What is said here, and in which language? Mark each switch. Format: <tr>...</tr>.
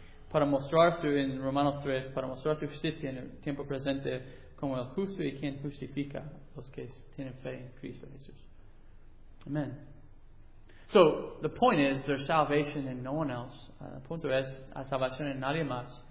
<es>Para mostrarse en Romanos 3, para mostrar su justicia en el tiempo presente como el justo y quien justifica los que tienen fe en Cristo Jesús. Amen.</es> <en>So, the point is, there's salvation in no one else.</en> <es>El punto es, hay salvación en nadie más.</es>